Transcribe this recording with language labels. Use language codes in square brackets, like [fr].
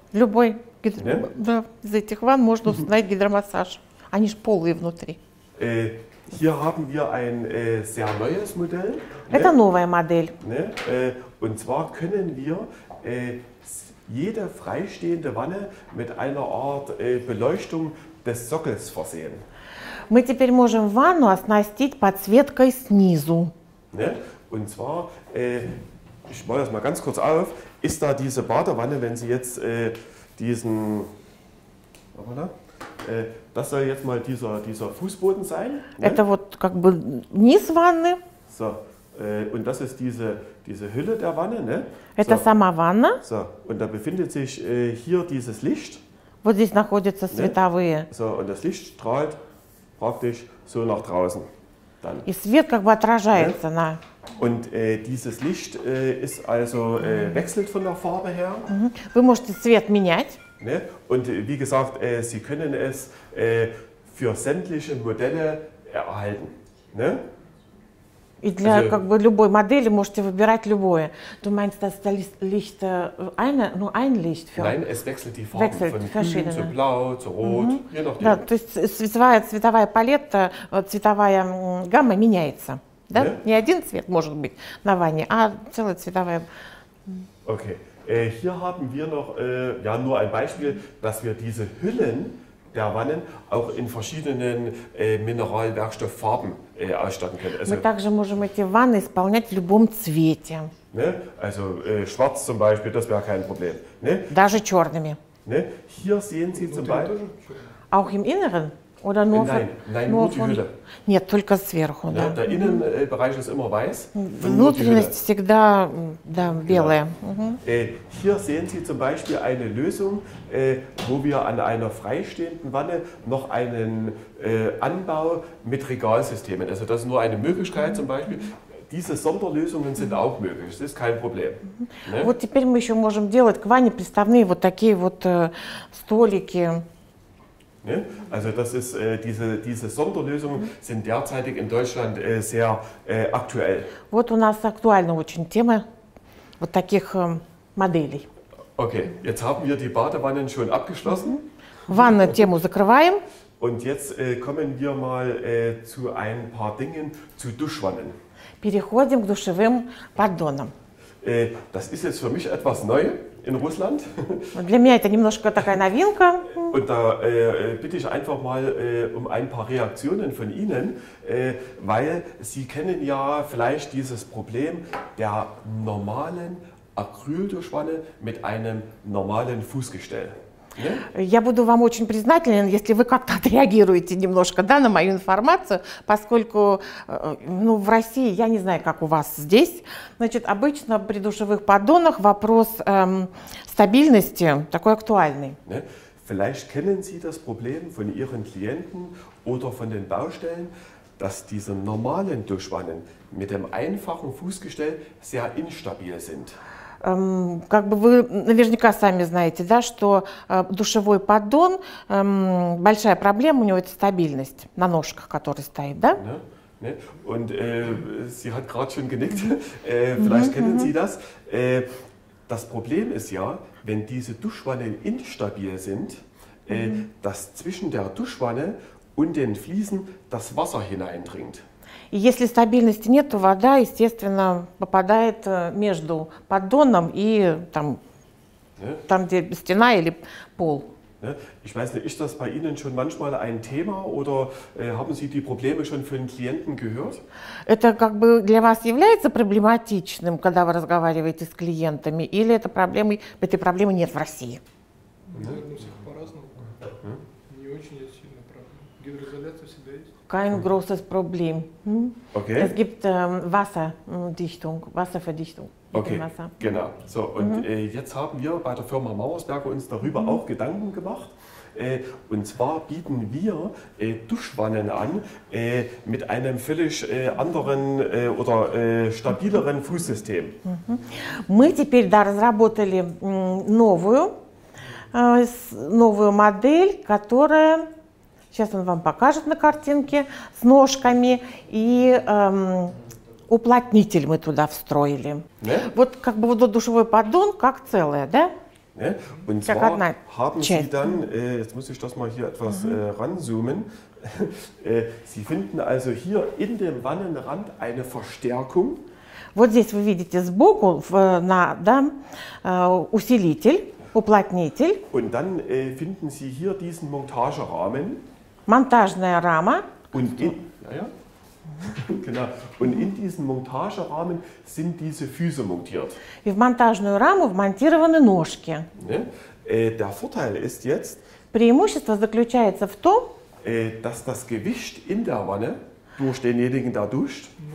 [ru] Любой. Да, из этих ванн можно установить гидромассаж. Они же полые внутри. [de] Hier haben wir ein sehr neues Modell. [ru] Это новая модель. [de] Ne? Und zwar können wir jede freistehende Wanne mit einer Art Beleuchtung des Sockels versehen. [ru] Мы теперь можем ванну оснастить подсветкой снизу. [de] Ne? Und zwar, ich mache das mal ganz kurz auf, ist da diese Badewanne, wenn Sie jetzt diesen, voilà, das soll jetzt mal dieser Fußboden sein. Ne? [ru] Это вот как бы низ ванны. [de] So, und das ist diese Hülle der Wanne. Ne? [ru] Это [de] so. [ru] Сама ванна. [de] So, und da befindet sich hier dieses Licht. [ru] Вот здесь находятся световые. [de] So, und das Licht strahlt praktisch so nach draußen. Dann. [ru] И свет как бы отражается, на. [de] Und dieses Licht ist also wechselt von der Farbe her. [ru] Вы можете цвет менять. [de] Ne? Und wie gesagt, Sie können es für sämtliche Modelle erhalten. Ne? [ru] И для [de] also, [ru] как бы любой модели можете выбирать любое. [de] Du meinst, dass das Licht eine, nur ein Licht für? Nein, es wechselt die Farben wechselt von grün zu blau zu rot, je nachdem. [ru] Да, то есть цветовая палета, цветовая гамма меняется. Да? Не один цвет может быть на ванне, а целая цветовая. [de] Okay, hier haben wir noch ja nur ein Beispiel, dass wir diese Hüllen der Wannen auch in verschiedenen Mineralwerkstofffarben ausstatten können. Also, [ru] мы также можем эти ванны исполнять в любом цвете. [de] Ne? Also schwarz zum Beispiel, das wäre kein Problem. Ne? [ru] Даже черными. [de] Ne? Hier sehen Sie zum Beispiel auch im Inneren. Oder nur nein, nur die Hülle. [ru] Нет, только сверху, да. [de] Der Innenbereich ist immer weiß. [ru] Внутренность всегда да, белая. [de] Hier sehen Sie zum Beispiel eine Lösung, wo wir an einer freistehenden Wanne noch einen Anbau mit Regalsystemen. Also das ist nur eine Möglichkeit zum Beispiel. Diese Sonderlösungen sind auch möglich, das ist kein Problem. Ne? [ru] Вот теперь мы еще можем делать к ванне приставные вот такие вот столики. [de] Ne? Also das ist diese Sonderlösungen sind derzeitig in Deutschland sehr aktuell. [ru] Вот у нас актуальна очень тема вот таких моделей. [de] Okay, jetzt haben wir die Badewannen schon abgeschlossen. [ru] Ванну тему закрываем. [de] Und jetzt kommen wir mal zu ein paar Dingen zu Duschwannen. Переходим к душевым поддонам. Das ist jetzt für mich etwas neu. In Russland. [ru] Для меня это немножко такая новинка. [de] Und da bitte ich einfach mal ein paar Reaktionen von Ihnen, weil Sie kennen ja vielleicht dieses Problem der normalen Acrylduschwanne mit einem normalen Fußgestell. [ru] Я буду вам очень признателен, если вы как-то отреагируете немножко, да, на мою информацию, поскольку, ну, в России, я не знаю, как у вас здесь, значит, обычно при душевых поддонах вопрос стабильности такой актуальный. [de] Ne? Vielleicht kennen Sie das Problem von Ihren Klienten oder von den Baustellen, dass diese normalen Duschwannen mit dem einfachen Fußgestell sehr instabil sind. [ru] Как бы вы наверняка сами знаете, да, что душевой поддон, большая проблема у него – это стабильность на ножках, который стоит, да? [de] Ne? Ne? Und sie hat gerade schon genickt, vielleicht kennen Sie das. Das Problem ist ja, wenn diese Duschwannen instabil sind, dass zwischen der Duschwanne und den Fliesen das Wasser hineindringt. [ru] И если стабильности нет, то вода, естественно, попадает между поддоном и там, [de] ne? [ru] Там, где стена или пол. [de] Ne? Ich weiß nicht, ist das bei Ihnen schon manchmal ein Thema oder haben Sie die Probleme schon von Klienten gehört? [ru] Это как бы для вас является проблематичным, когда вы разговариваете с клиентами, или это проблемы, этой проблемы нет в России? [de] Ne? Ne? [ru] У всех по-разному. Ne? Не очень сильно проблема. Гидроизоляция всегда есть. [de] Kein großes Problem. Hm? Okay. Es gibt Wasserdichtung, Wasserverdichtung. Okay, Wasser. Genau. So, und jetzt haben wir bei der Firma Mauersberger uns darüber auch Gedanken gemacht. Und zwar bieten wir Duschwannen an mit einem völlig anderen oder stabileren Fußsystem. [ru] Мы теперь да, разработали новую, новую модель, которая... Сейчас он вам покажет на картинке с ножками и уплотнитель мы туда встроили. [de] Ne? [ru] Вот как бы вот душевой поддон как целое, да? [de] Ne? Und [ru] как [de] zwar [ru] одна [de] haben [ru] часть. [de] Sie dann, jetzt muss ich das mal hier etwas ranzoomen. Sie finden also hier in dem Wannenrand eine Verstärkung. [ru] Вот здесь вы видите сбоку на да, усилитель. Уплотнитель. [de] Und dann finden Sie hier diesen Montagerahmen. [ru] Монтажная рама. [de] Und in, ja. Genau. Und in diesen Montagerahmen sind diese Füße montiert. [ru] И в монтажную раму вмонтированы ножки. [de] Ne? Der Vorteil ist jetzt, [ru] преимущество заключается в том, [de] dass das Gewicht in der Wanne durch denjenigen, der duscht,